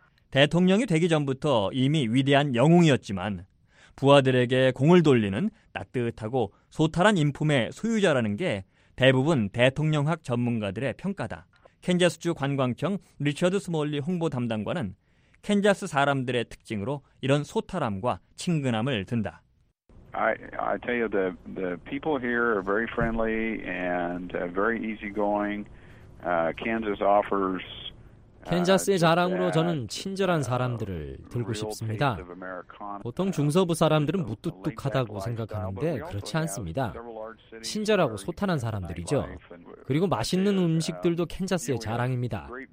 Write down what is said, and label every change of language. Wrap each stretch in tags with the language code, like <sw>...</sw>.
<ko>대통령이 되기 전부터 이미 위대한 영웅이었지만 부하들에게 공을 돌리는 따뜻하고 소탈한 인품의 소유자라는 게 대부분 대통령학 전문가들의 평가다. 캔자스주 관광청 리처드 스몰리 홍보 담당관은 캔자스 사람들의 특징으로 이런 소탈함과 친근함을 든다.</ko> <en>I tell you the people here are very friendly and very easygoing. Kansas offers</en> <ko>캔자스의 자랑으로 저는 친절한 사람들을 들고 싶습니다. 보통 중서부 사람들은 무뚝뚝하다고 생각하는데 그렇지 않습니다. 친절하고 소탄한 사람들이죠. 그리고 맛있는 음식들도 캔자스의 자랑입니다.</ko>